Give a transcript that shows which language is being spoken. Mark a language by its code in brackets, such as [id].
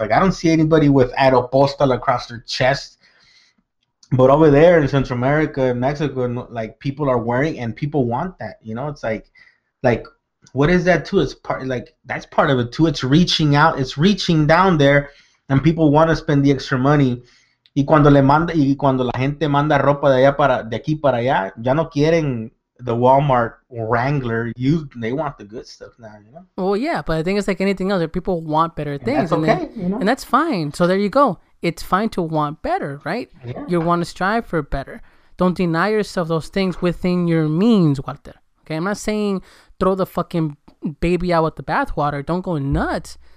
[en] Like, I don't see anybody with Aeropostal across their chest. But over there in Central America, Mexico, like people are wearing and people want that. You know, it's like, what is that too? It's part, like, that's part of it too. It's reaching out. It's reaching down there, and people want to spend the extra money. [es] Y cuando le manda, y cuando la gente manda ropa de allá para, de aquí para allá, ya no quieren the Walmart Wrangler. [en] They want the good stuff now, you know? Well, yeah, but I think it's like anything else. People want better things. And that's okay, you know? And that's fine. So there you go. It's fine to want better, right? Yeah. You want to strive for better. Don't deny yourself those things within your means, Walter. Okay, I'm not saying throw the fucking baby out with the bathwater. Don't go nuts.